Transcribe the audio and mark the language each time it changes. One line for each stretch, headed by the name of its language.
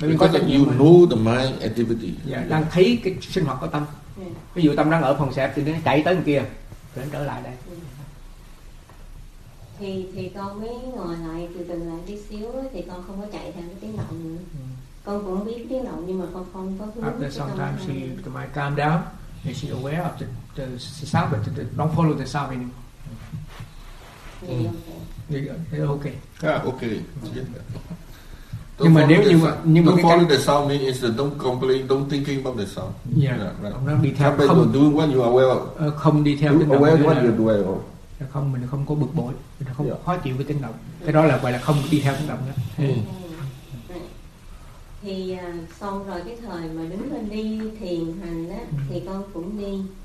English: Because you know the mind activity. Yeah.
Vietnamese: Đang thấy cái sinh hoạt của tâm. Yeah. Ví dụ tâm đang ở phòng xẹp thì nó chạy tới bên kia. Rồi trở lại đây. Thì con mới ngồi lại từ từ lại tí xíu ấy, thì con không có chạy theo cái tiếng động nữa. Con cũng biết tiếng động nhưng mà con không có hướng.
English: After some time she might calm down and she aware of the sound but the, don't follow the sound anymore. Okay.
Vietnamese: Nhưng mà nếu như nhưng mà
English: follow the sound means is don't complain, don't thinking about the sound. Yeah. Yeah, right.
Vietnamese: Không đi theo
English: what you are well.
Vietnamese: Không đi theo tiếng động.
English: What you do well.
Vietnamese: Không, mình không có bực bội, mình không khó chịu với tiếng động. Cái đó là gọi là không đi theo tiếng động đó. Thì xong rồi cái thời mà đứng lên đi thiền hành đó, thì con cũng đi.